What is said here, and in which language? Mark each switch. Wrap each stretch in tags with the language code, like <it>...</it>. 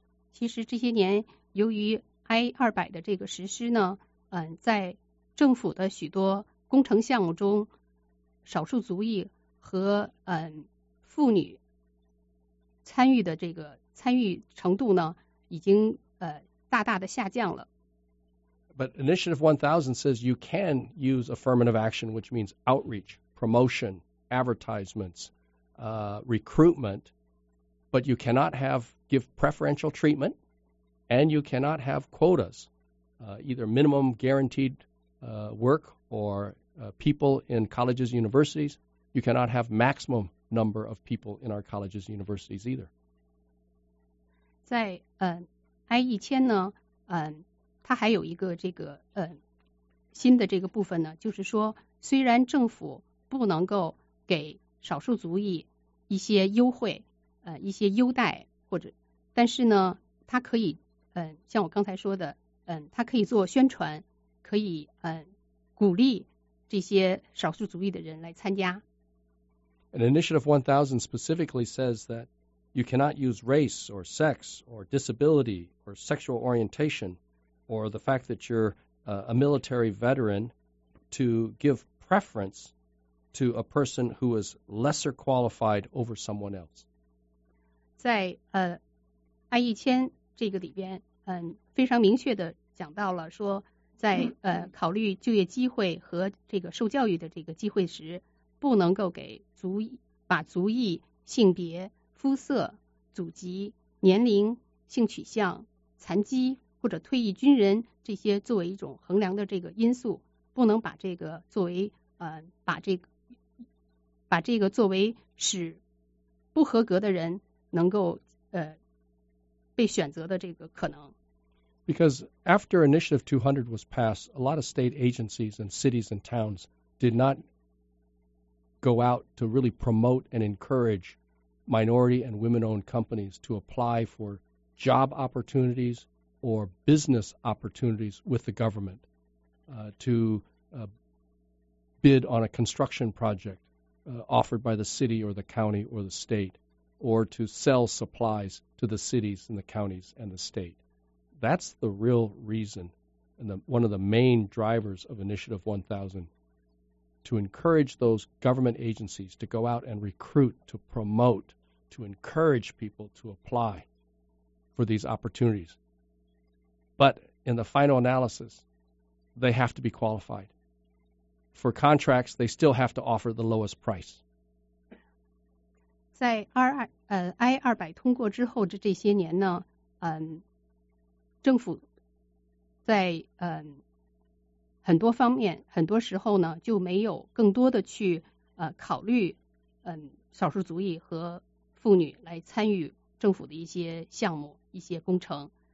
<zh>其实这些年，由于 I-200 的这个实施呢，在政府的许多工程项目中，少数族裔和妇女参与的这个。参与程度呢，已经大大的下降了。</zh> <en>But Initiative 1000 says you can use affirmative action, which means outreach, promotion, advertisements, recruitment, but you cannot give preferential treatment, and you cannot have quotas, either minimum guaranteed work or people in colleges, universities. You cannot have maximum number of people in our colleges, universities either.</en> <zh>在I-1000 呢，它还有一个这个新的这个部分呢，就是说，虽然政府不能够给少数族裔一些优惠，一些优待或者，但是呢，它可以像我刚才说的，它可以做宣传，可以鼓励这些少数族裔的人来参加。</zh> <en>An Initiative 1000 specifically says that. You cannot use race or sex or disability or sexual orientation or the fact that you're a military veteran to give preference to a person who is lesser qualified over someone else.</en> <zh>在I-1000 这个里边非常明确的讲到了说在考虑就业机会和这个受教育的这个机会时不能够给族裔把族裔性别肤色、祖籍、年龄、性取向、残疾或者退役军人这些作为一种衡量的这个因素，不能把这个作为把这个作为使不合格的人能够被选择的这个可能。</zh> <en>Because after Initiative 200 was passed, a lot of state agencies and cities and towns did not go out to really promote and encourage minority and women-owned companies to apply for job opportunities or business opportunities with the government, to bid on a construction project offered by the city or the county or the state, or to sell supplies to the cities and the counties and the state. That's the real reason, and one of the main drivers of Initiative 1000, to encourage those government agencies to go out and recruit, to promote, to encourage people to apply for these opportunities. But in the final analysis, they have to be qualified. For contracts, they still have to offer the lowest price.</en> <zh>在 I-200 通过之后的这些年呢，政府在很多方面，很多时候呢，就没有更多的去考虑少数族裔和妇女来参与政府的一些项目、一些工程。</zh>